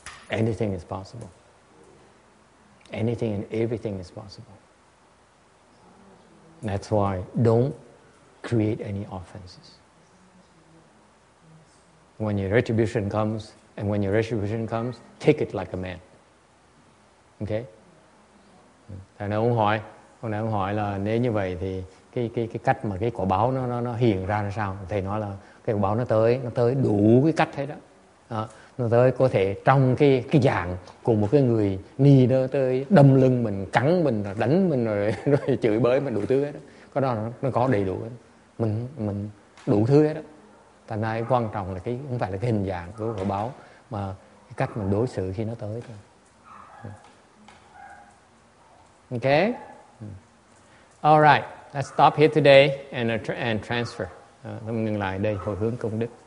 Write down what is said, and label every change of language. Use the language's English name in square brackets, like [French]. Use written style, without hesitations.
[English] Anything is possible. Anything and everything is possible. That's why don't create any offenses. When your retribution comes, and when your retribution comes, take it like a man. Okay? [Vietnamese] Thầy nói ông hỏi, hôm nay ông hỏi là nếu như vậy thì cái cách mà cái quả báo nó hiện ra là sao? Thầy nói là cái quả báo nó tới đủ cái cách hết đó. À, nó tới có thể trong cái dạng của một cái người ni đó, tới đâm lưng mình, cắn mình, đánh mình, rồi chửi bới mình đủ thứ hết đó. Có đó nó có đầy đủ hết. Mình đủ thứ hết đó. Thành ra quan trọng là không phải là cái hình dạng của quả báo, mà cái cách mình đối xử khi nó tới thôi. Ok. [English] All right, let's stop here today and transfer. [Vietnamese] Mình ngừng lại đây, hồi hướng công đức.